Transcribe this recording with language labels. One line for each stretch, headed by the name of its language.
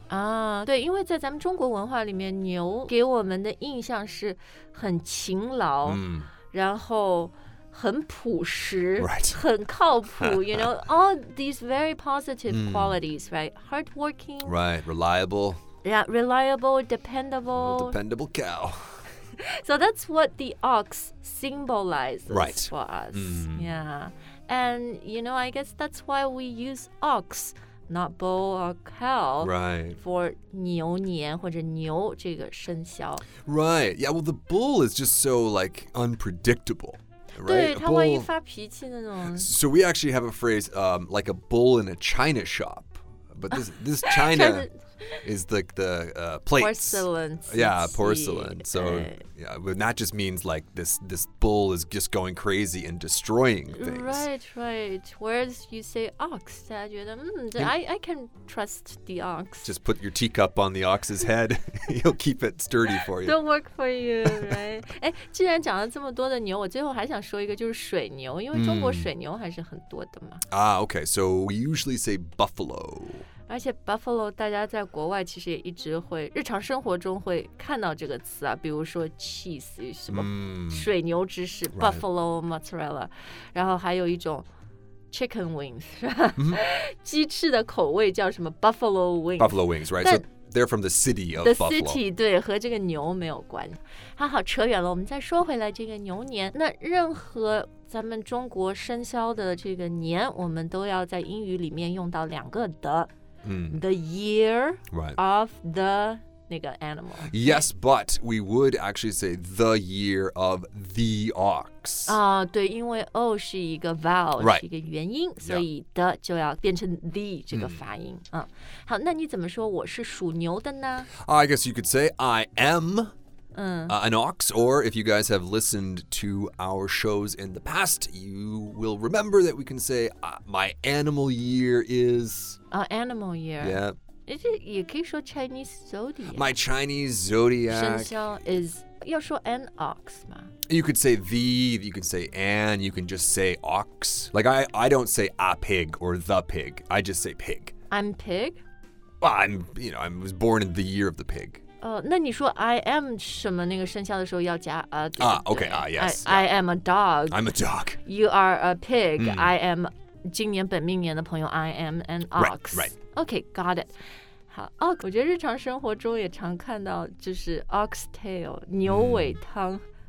Chinese: 啊，对，因为在咱们中国文化里面，牛给我们的印象是很勤劳，然后很朴实，
English: right.
Chinese: 很靠谱。
English: You know, all these very positive qualities, right? Hardworking, right? Reliable. Yeah, reliable, dependable. Well, dependable cow. So that's what the ox symbolizes、 right. for us.、Yeah. And, you know, I guess that's why we use ox, not bull or cow,、 right. for
Chinese: 牛年或者牛这个生肖。
English: Right. Yeah, well, the bull is just so, like, unpredictable. Right?
Chinese: 对，他万一发脾气那种。
English: So we actually have a phrase,、like a bull in a china shop. But this china... is like the plates. Porcelain. Yeah, porcelain. So、yeah, that just means like this bull is just going crazy and destroying things. Right, right. Whereas you say ox, I can trust the ox. Just put your teacup on the ox's head. He'll keep it sturdy for you. Don't work for you, right?
Chinese: 既然讲了这么多的牛，我最后还想说一个就是水牛，因为中国水牛还是很多的嘛。
English: Ah, okay. So we usually say buffalo.
Chinese: 而且 buffalo 大家在国外其实也一直会日常生活中会看到这个词啊比如说 cheese 什么水牛芝士、buffalo mozzarella 然后还有一种 chicken wings 是吧、鸡翅的口味叫什么 buffalo wings
English: buffalo wings right so they're from the city of the buffalo the city
Chinese: 对和这个牛没有关好好扯远了我们再说回来这个牛年那任何咱们中国生肖的这个年我们都要在英语里面用到两个的
English: The year、 right. of the
Chinese: 那个
English: animal. Yes, but we would actually say the year of the ox.
Chinese: 啊、对，因为 o 是一个 vowel,、
English: right.
Chinese: 是一个元音，所以 the 就要变成 the 这个发音。嗯、好，那你怎么说我是属牛的呢
English: ？I guess you could say I am. An ox, or if you guys have listened to our shows in the past, you will remember that we can say, my animal year is... Animal year. Yeah. Is it, you can say Chinese zodiac. My Chinese zodiac.
Chinese: 生肖
English: is...
Chinese: 要说
English: an ox
Chinese: 吗?
English: You could say the, you can say an, you can just say ox. Like, I don't say a pig or the pig. I just say pig. I'm pig? Well, I'm, you know, I was born in the year of the pig.
Chinese: 那你说
English: I am
Chinese: 什么那个生肖的时候要加啊、
English: okay, yes. I am a dog. I'm a dog. You are a pig.、Mm. I am
Chinese: 今年本命年的朋友
English: I am an ox. Right, right. Okay, got it.
Chinese: 好、我觉得日常生活中也常看到就是 ox tail, 牛尾汤、mm.